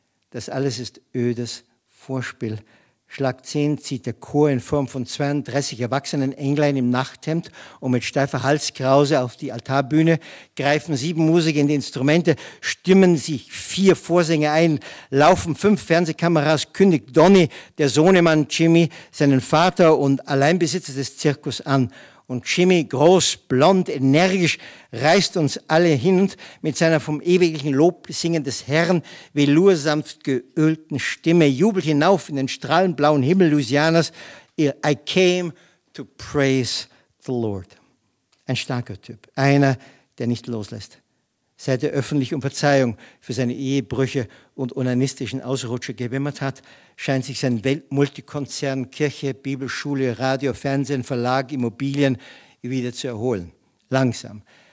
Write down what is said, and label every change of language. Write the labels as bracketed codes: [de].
[de] Das alles ist ödes Vorspiel. Schlag 10 zieht der Chor in Form von 32 erwachsenen Englein im Nachthemd und mit steifer Halskrause auf die Altarbühne, greifen 7 Musiker in die Instrumente, stimmen sich 4 Vorsänger ein, laufen 5 Fernsehkameras, kündigt Donny, der Sohnemann Jimmy, seinen Vater und Alleinbesitzer des Zirkus an. Und Jimmy, groß, blond, energisch, reißt uns alle hin und mit seiner vom ewiglichen Lobsingen des Herrn velursanft geölten Stimme jubelt hinauf in den strahlenblauen Himmel Louisianas. [en] I came to praise the Lord. [de] Ein starker Typ, einer, der nicht loslässt. Seit er öffentlich um Verzeihung für seine Ehebrüche und onanistischen Ausrutscher gewimmert hat, scheint sich sein Weltmultikonzern, Kirche, Bibelschule, Radio, Fernsehen, Verlag, Immobilien wieder zu erholen. Langsam.